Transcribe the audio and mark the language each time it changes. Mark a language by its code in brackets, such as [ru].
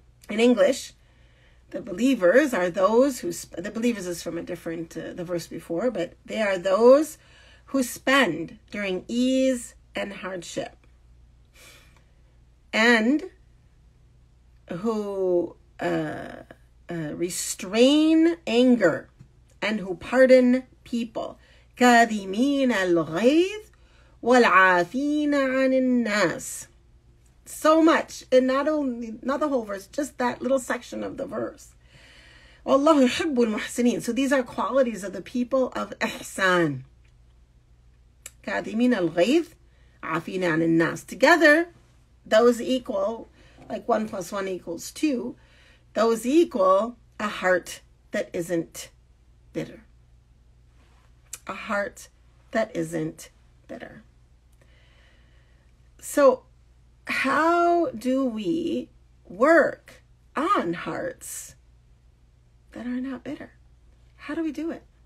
[en] In English, the believers is from a different, the verse before, but they are those who spend during ease and hardship and who restrain anger and who pardon people. [ar] كاذمين الغيظ والعافين عن الناس. [en] So much, and not the whole verse, just that little section of the verse. [ar] والله يحب المحسنين. [en] So these are qualities of the people of Ihsan. [ar] كاذمين الغيظ عافين عن الناس. [en] Together, those equal, like 1 + 1 = 2, those equal a heart that isn't bitter. A heart that isn't bitter. So how do we work on hearts that are not bitter? How do we do it?